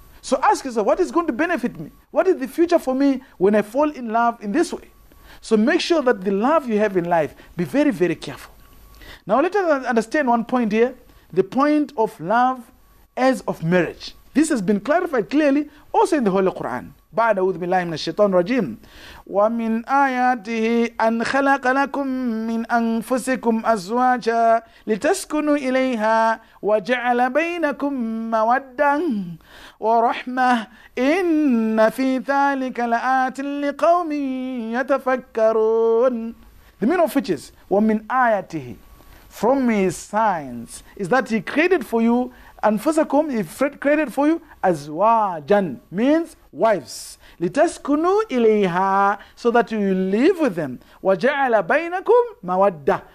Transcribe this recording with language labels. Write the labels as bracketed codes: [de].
[en] So ask yourself, what is going to benefit me? What is the future for me when I fall in love in this way? So make sure that the love you have in life, be very, very careful. Now let us understand one point here. The point of love as of marriage. This has been clarified clearly also in the Holy Quran. [ar] بعد أعوذ بالله من الشيطان الرجيم ومن آياته أن خلق لكم من أنفسكم أزواجا لتسكنوا إليها وجعل بينكم مودة ورحمة إن في ذلك لآيات لقوم يتفكرون. [en] The meaning of which is [ar] ومن آياته, [en] from his signs, is that he created for you [ar] أنفسكم, [en] he created for you [ar] أزواجا, [en] means wives, [ar] لِتَسْكُنُوا إِلَيْهَا, [en] so that you live with them. [ar] وَجَعَلَ بَيْنَكُمْ مَوَدَّةً.